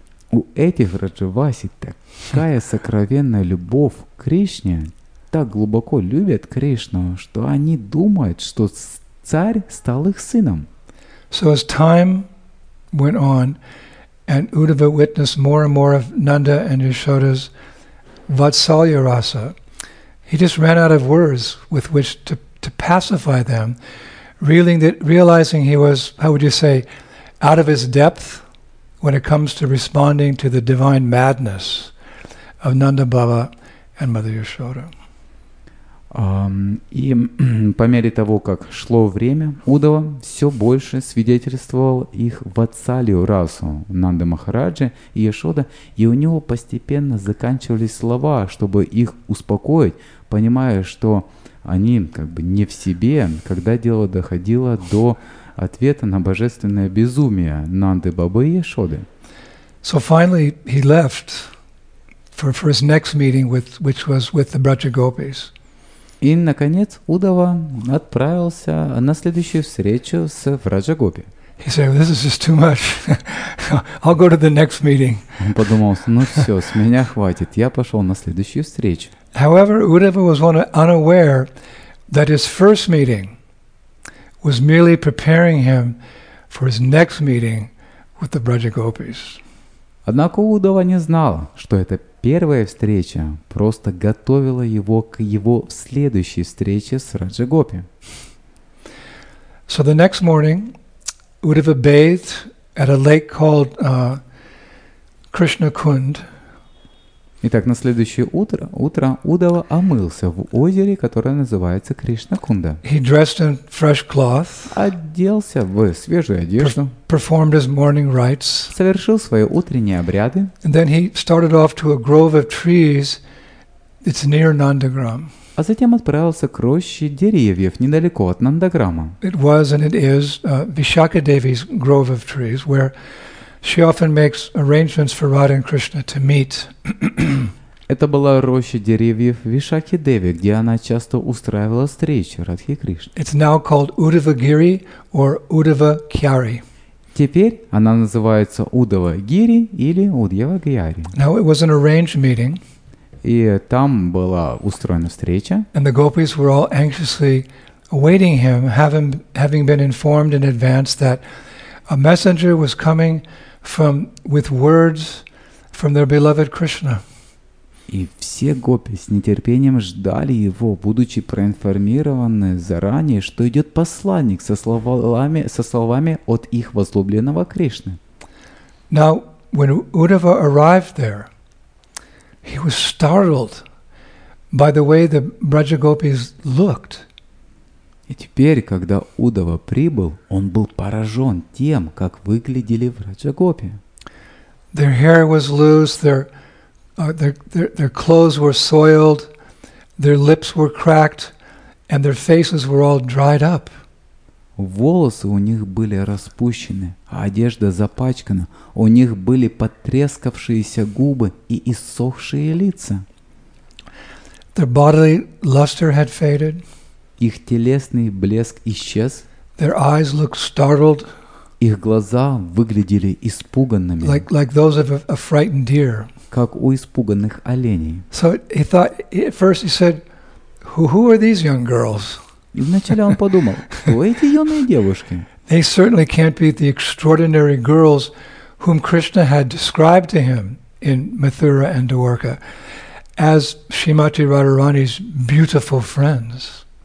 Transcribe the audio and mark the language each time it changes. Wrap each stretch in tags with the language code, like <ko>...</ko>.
<ru>У этих Vrijabhasi такая сокровенная любовь к Кришне, так глубоко любят Кришну, что они думают, что царь стал их сыном.</ru> <en>So as time went on, and Uddhava witnessed more and more of Nanda and Yashoda's Vatsalya Rasa, he just ran out of words with which to pacify them, realizing he was, how would you say, out of his depth when it comes to responding to the divine madness of Nanda Baba and Mother Yashoda.</en> <ru>И по мере того, как шло время, Уддхава все больше свидетельствовал их ватсалью расу Нанда Махараджа и Яшода, и у него постепенно заканчивались слова, чтобы их успокоить, понимая, что они как бы не в себе, когда дело доходило до ответа на божественное безумие Нанды Бабы и Яшоды.</ru> <en>So finally he left for his next meeting, which was with the Braja Gopis.</en> <ru>И, наконец, Уддхава отправился на следующую встречу с Враджа-гопи.</ru> <en>He said, well, this is just too much. I'll go to the next meeting.</en> <ru>Он подумал: ну все, с меня хватит, я пошел на следующую встречу.</ru> <en>However, Uddhava was unaware that his first meeting was merely preparing him for his next meeting with the Vrajagopis.</en> <ru>Однако Уддхава не знал, что это первая встреча просто готовила его к его следующей встрече с Раджа-гопи.</ru> <en>So the next morning, Uddhava bathed at a lake called Krishna Kund.</en> <ru>Итак, на следующее утро Уддхава омылся в озере, которое называется Кришна Кунда.</ru> <en>He dressed in fresh cloth.</en> <ru>Оделся в свежую одежду.</ru> <en>Performed his morning rites.</en> <ru>Совершил свои утренние обряды.</ru> <en>And then he started off to a grove of trees. It's near Nandagram.</en> <ru>А затем отправился к роще деревьев недалеко от Нандаграма.</ru> <en>It was and it is Vishakha Devi's grove of trees, where she often makes arrangements for Radha and Krishna to meet.</en> <ru>Это была роща деревьев Вишакхи-деви, где она часто устраивала встречи Радхи Кришны.</ru> <en>It's now called Uddhava-giri or Uddhava-kyari.</en> <ru>Теперь она называется Уддхава-гири или Уддхава-гьяри.</ru> <en>Now it was an arranged meeting.</en> <ru>И там была устроена встреча.</ru> <en>And the gopis were all anxiously awaiting him, having been informed in advance that a messenger was coming from with words from their beloved Krishna.</en> <ru>И все гопи с нетерпением ждали его, будучи проинформированы заранее, что идет посланник со словами от их возлюбленного Кришны.</ru> <en>Now, when Uddhava arrived there, he was startled by the way the Braja gopis looked.</en> <ru>И теперь, когда Уддхава прибыл, он был поражен тем, как выглядели Браджа гопи.</ru> <en>Their hair was loose, their clothes were soiled, their lips were cracked, and their faces were all dried up.</en> <ru>Волосы у них были распущены, а одежда запачкана. У них были потрескавшиеся губы и иссохшие лица.</ru> <en>Their bodily luster had faded.</en> <ru>Их телесный блеск исчез.</ru> <en>Their eyes looked startled.</en> <ru>Их глаза выглядели испуганными.</ru> <en>Like those of a frightened deer.</en> <ru>Как у испуганных оленей.</ru> <en>So he thought at first he said, "Who are these young girls?"</en> <ru>И вначале он подумал, кто эти юные девушки?</ru> <en>They certainly can't be the extraordinary girls whom Krishna had described to him in Mathura and Dwarka as Shrimati Radharani's beautiful friends.</en>